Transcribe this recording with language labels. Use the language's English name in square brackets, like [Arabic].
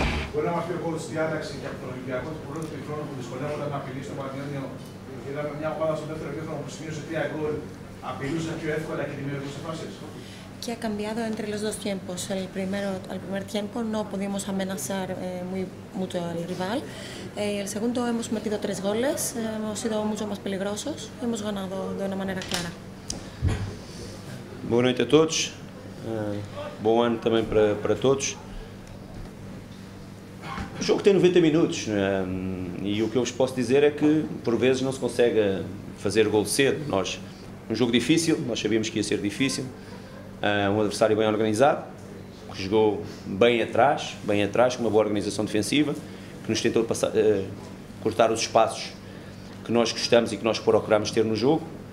[Greek] μπορεί να μας πει ο κόσμος στη διάταξη για τον Ολυμπιακό του πρώτου χρόνου που δυσκολεύονταν να απειλήσει τον Πανιόνιο. Είδαμε μια ομάδα στο δεύτερο χρόνο που σημείωσε 3 γκολ. Απειλούσε πιο εύκολα και δημιουργούσε φάσεις. [Spanish] Que ha cambiado entre los dos tiempos. Al primer tiempo no pudimos amenazar muy mucho al rival. El segundo hemos metido 3 goles, hemos sido mucho más peligrosos, hemos ganado de una manera clara. [Portuguese] Boa noite a todos. Bom ano também para todos. O jogo tem 90 minutos e o que eu vos posso dizer é que por vezes não se consegue fazer gol cedo. Nós, um jogo difícil, nós sabíamos que ia ser difícil. Um adversário bem organizado, que jogou bem atrás, com uma boa organização defensiva, que nos tentou passar, cortar os espaços que nós gostamos e que nós procuramos ter no jogo.